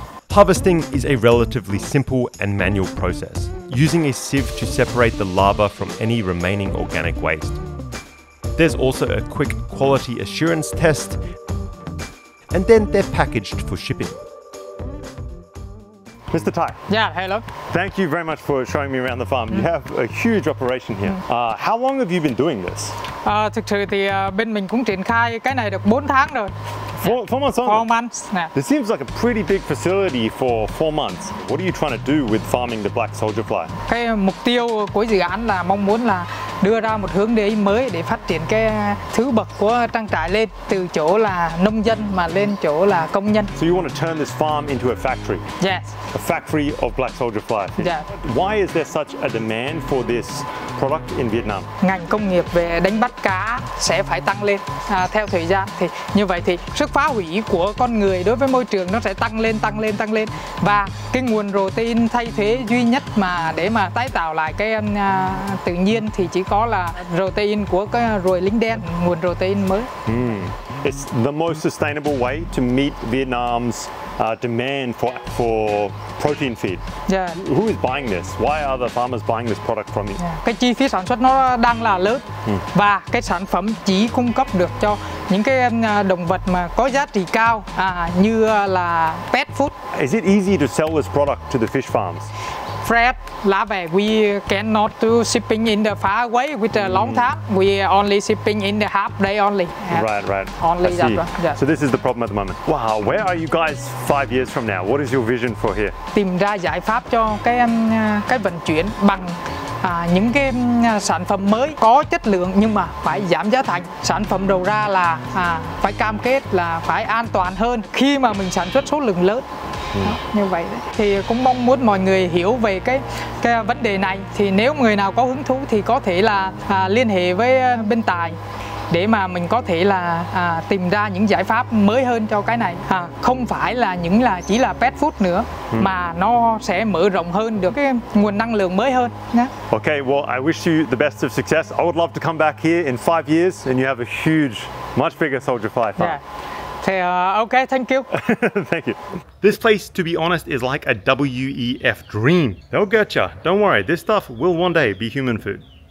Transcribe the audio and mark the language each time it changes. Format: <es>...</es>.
<en>Harvesting is a relatively simple and manual process, using a sieve to separate the larvae from any remaining organic waste. There's also a quick quality assurance test, and then they're packaged for shipping. Mr. Tai. Yeah, hello. Thank you very much for showing me around the farm. You have a huge operation here. How long have you been doing this?</en> <vi>Thực sự thì bên mình cũng triển khai cái này được 4 tháng rồi.</vi> <en>Four months. Yeah. This seems like a pretty big facility for 4 months. What are you trying to do with farming the black soldier fly?</en> <vi>Cái mục tiêu của dự án là mong muốn là đưa ra một hướng đi mới để phát triển cái thứ bậc của trang trại lên từ chỗ là nông dân mà lên chỗ là công nhân.</vi> <en>So you want to turn this farm into a factory? Yes. A factory of black soldier fly. Yeah. Why is there such a demand for this product in Vietnam?</en> <vi>Ngành công nghiệp về đánh bắt cá sẽ phải tăng lên theo thời gian, thì như vậy thì sức phá hủy của con người đối với môi trường nó sẽ tăng lên, và cái nguồn protein thay thế duy nhất mà để mà tái tạo lại cái tự nhiên thì chỉ có là protein của cái ruồi lính đen, nguồn protein mới.</vi> <en>It's the most sustainable way to meet Vietnam's demand for protein feed. Yeah. Who is buying this? Why are the farmers buying this product from you? Yeah.</en> <vi>Cái chi phí sản xuất nó đang là lớn và cái sản phẩm chỉ cung cấp được cho những cái động vật mà có giá trị cao như là pet food.</vi> <en>Is it easy to sell this product to the fish farms? Fresh larvae, we cannot do shipping in the far away with a long time. We only shipping in the half day only. Right. Only that. Yeah. So this is the problem at the moment. Wow, where are you guys 5 years from now? What is your vision for here?</en> <vi>Tìm ra giải pháp cho cái vận chuyển bằng những cái sản phẩm mới có chất lượng nhưng mà phải giảm giá thành. Sản phẩm đầu ra là phải cam kết là phải an toàn hơn khi mà mình sản xuất số lượng lớn. Đó, như vậy đấy. Thì cũng mong muốn mọi người hiểu về cái vấn đề này, thì nếu người nào có hứng thú thì có thể là liên hệ với bên tài để mà mình có thể là tìm ra những giải pháp mới hơn cho cái này, không phải là những là chỉ là pet food nữa mà nó sẽ mở rộng hơn được cái nguồn năng lượng mới hơn nhá.</vi> <en>Okay, well I wish you the best of success. I would love to come back here in 5 years and you have a huge, much bigger soldier fly farm. Yeah. Okay, thank you. Thank you. This place, to be honest, is like a WEF dream. They'll get ya. Don't worry. This stuff will one day be human food.</en>